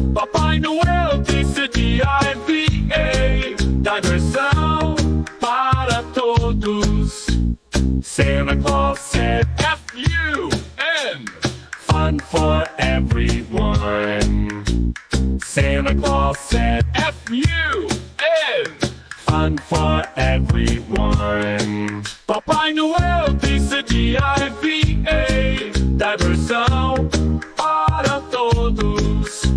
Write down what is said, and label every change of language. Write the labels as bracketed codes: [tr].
[pt] Papai Noel disse DIVA, diversão para todos. [en] Santa Claus said FUN, fun for everyone. Santa Claus said FUN, fun for everyone. [pt] Papai Noel disse DIVA, diversão para todos.